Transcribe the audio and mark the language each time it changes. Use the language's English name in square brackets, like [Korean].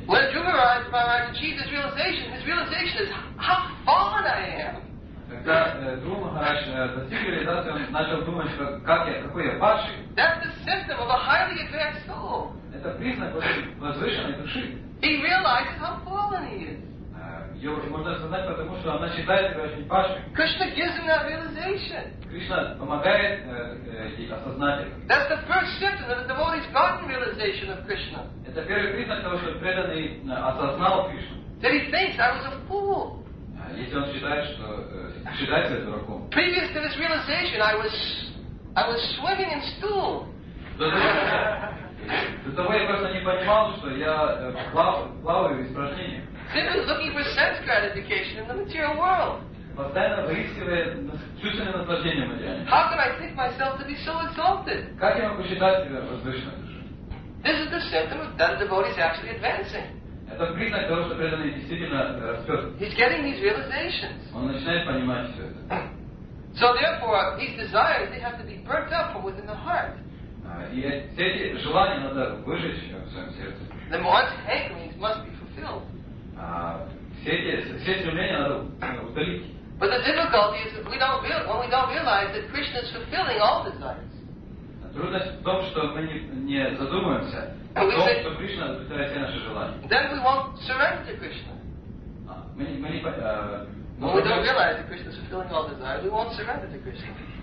[English] When Jumaraj achieved his realization is how fallen I am. [Russian] Когда Дру Махарадж достиг реализации, он начал думать, что как я, какой я падший. [English] That's the symptom of a highly advanced soul. [Russian] Это признак возвышенной души. [English] He realizes how fallen he is. [Russian] Можно осознать, потому что она считает себя очень падшей. [English] Krishna gives him that realization. [Russian] Кришна помогает ей осознать это. [English] That's the first symptom that the devotee's gotten realization of Krishna. [Russian] Это первый признак того, что преданный осознал Кришну. [English] That he thinks I was a fool. [Russian] Если он считает, что считает себя дураком. [English] Previous to this realization, I was swimming in stool. [Russian] До того я просто не понимал, что я плаваю в испражнениях. [English] Simply looking for sense gratification in the material world. [Russian] Постоянно выискивая чувственное наслаждение в материале. [English] How can I think myself to be so exalted? [Russian] Как я могу считать себя возвышенной душой? [English] This is the symptom that the devotee is actually advancing. [Russian] Это признак того, что преданный действительно растет. [English] He's getting these realizations. [Russian] Он начинает понимать все это. [English] So therefore, these desires they have to be burnt up from within the heart. [Russian] И все эти желания надо выжечь в своем сердце. [English] The one's hankerings must be fulfilled. [Russian] Все стремления надо удалить. [English] But the difficulty is when we don't realize that Krishna is fulfilling all desires. [Russian] Трудность в том, что мы не задумываемся о том, что Кришна удовлетворяет все наши желания. [English] Then we won't surrender to Krishna. When we don't realize that Krishna is fulfilling all desires, we won't surrender to Krishna.